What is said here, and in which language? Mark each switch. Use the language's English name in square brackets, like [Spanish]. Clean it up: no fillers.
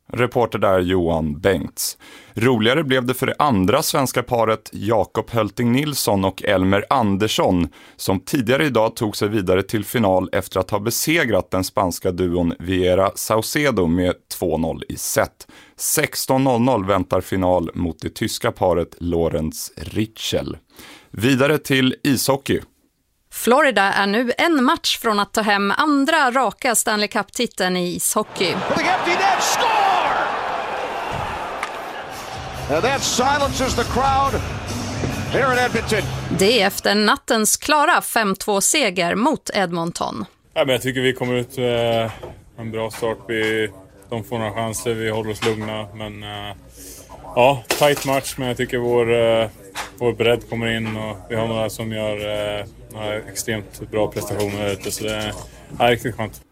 [Swedish] Reporter där Johan Bengts. Roligare blev det för det andra svenska paret Jakob Hölting Nilsson och Elmer Andersson som tidigare idag tog sig vidare till final efter att ha besegrat den spanska duon Vieira Saucedo med 2-0 i set. 16-0 väntar final mot det tyska paret Lorenz Ritschel. Vidare till ishockey. Florida är nu en match från att ta hem andra raka Stanley Cup-titeln i ishockey. [English] The empty net score! And that silences the crowd here in Edmonton. [Swedish] Det är efter nattens klara 5-2-seger mot Edmonton. Ja, men jag tycker vi kommer ut med en bra start. De får några chanser, vi håller oss lugna. Men ja, tight match, men jag tycker vår bredd kommer in och vi har några som gör extremt bra prestationer ute, så det är riktigt skönt.